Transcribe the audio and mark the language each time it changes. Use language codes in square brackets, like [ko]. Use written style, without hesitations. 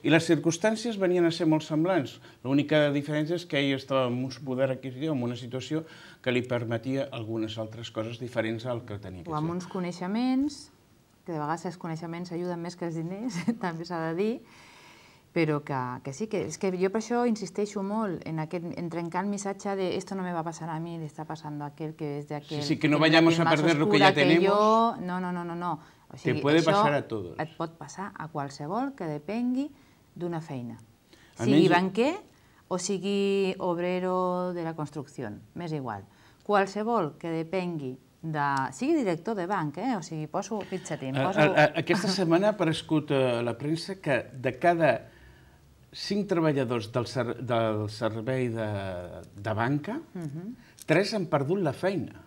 [ca] I les circumstàncies venien a ser molt semblants. L'única diferència és que ell estava amb un poder adquisitiu, amb una situació que li permetia algunes altres coses diferents al que tenia que ser. O amb uns coneixements, que de vegades els coneixements ajuden més que els diners, també s'ha de dir, però que sí, que és que jo per això insisteixo molt en aquest trencar el missatge de esto no me va a pasar a mí, le está pasando a aquel que es de aquel... [es] Sí, sí, que no vayamos a perder lo que ya tenemos. No. O sigui, te puede pasar a todos. [ca] Et pot passar a qualsevol que depengui d'una feina. Sigui banquer o sigui obrero de la construcció, m'és igual. Qualsevol que depengui de... Sigui director de banc, o sigui, poso pitxatim. Aquesta setmana ha aparegut a la premsa que de cada 5 treballadors del servei de banca, 3 han perdut la feina.